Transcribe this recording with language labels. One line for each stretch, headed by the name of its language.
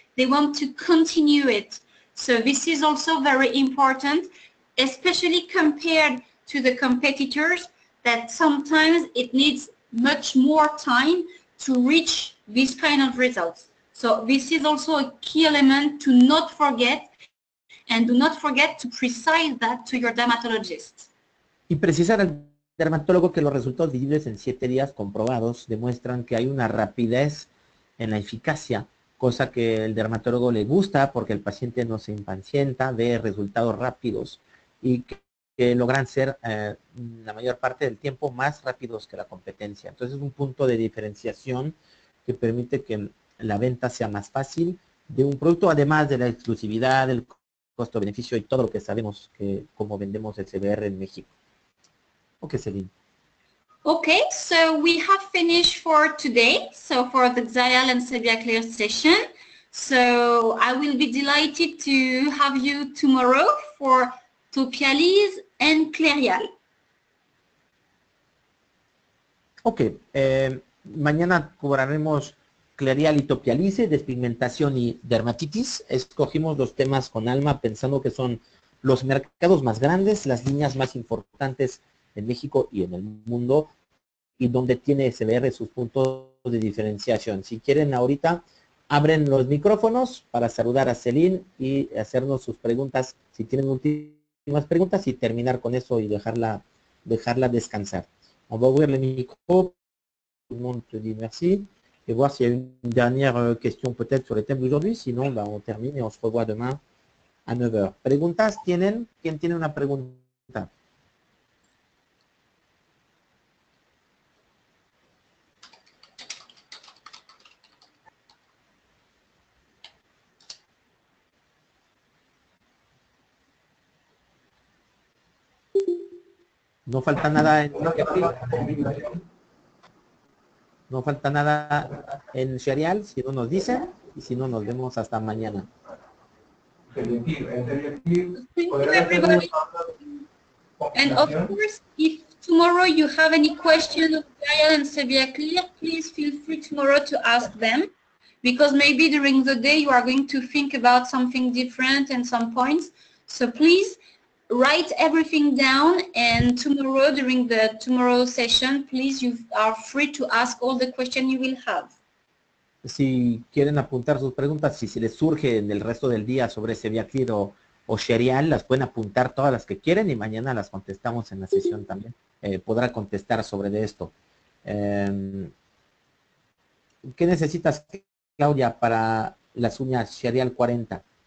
English: They want to continue it. So this is also very important, especially compared to the competitors, that sometimes it needs much more time to reach this kind of results. So this is also a key element to not forget. And do not forget to precise that to your dermatologist.
Spanish: Y precisar al dermatólogo que los resultados visibles en 7 días comprobados demuestran que hay una rapidez en la eficacia, cosa que el dermatólogo le gusta porque el paciente no se impacienta, ve resultados rápidos y que logran ser la mayor parte del tiempo más rápidos que la competencia. Entonces es un punto de diferenciación que permite que la venta sea más fácil de un producto, además de la exclusividad, del costo-beneficio y todo lo que sabemos que cómo vendemos el CBR en México.
English: Okay, Celine. Okay, so we have finished for today, so for the Xial and Sevilla Clear session. So I will be delighted to have you tomorrow for Topialis and Clerial.
Spanish: Okay, mañana cobraremos Clerial y Topialis, despigmentación y dermatitis. Escogimos los temas con Alma pensando que son los mercados más grandes, las líneas más importantes en México y en el mundo, y donde tiene SBR sus puntos de diferenciación. Si quieren, ahorita abren los micrófonos para saludar a Celine y hacernos sus preguntas, si tienen últimas preguntas, y terminar con eso y dejarla descansar.
French: On va ouvrir le micro. Tout le monde te dit merci. Et voir s'il y a une dernière question peut-être sur les thèmes d'aujourd'hui. Sinon, bah, on termine et on se revoit demain à 9h.
Spanish: ¿Preguntas tienen? ¿Quién tiene una pregunta? No falta nada en Topialis. No falta nada en Xerial, si no nos dicen, y si no, nos vemos hasta mañana.
English: And of course, if tomorrow you have any question of Xerial and Sevilla Clear, please feel free tomorrow to ask them, because maybe during the day you are going to think about something different and some points. So please write everything down, and tomorrow, during the tomorrow session, please, you are free to ask all the questions you will have.
Spanish: Si quieren apuntar sus preguntas, si se les surge en el resto del día sobre Sevilla Clear o Xerial, las pueden apuntar todas las que quieren, y mañana las contestamos en la sesión también. Podrá contestar sobre de esto. ¿Qué necesitas, Claudia, para las uñas Xerial 40?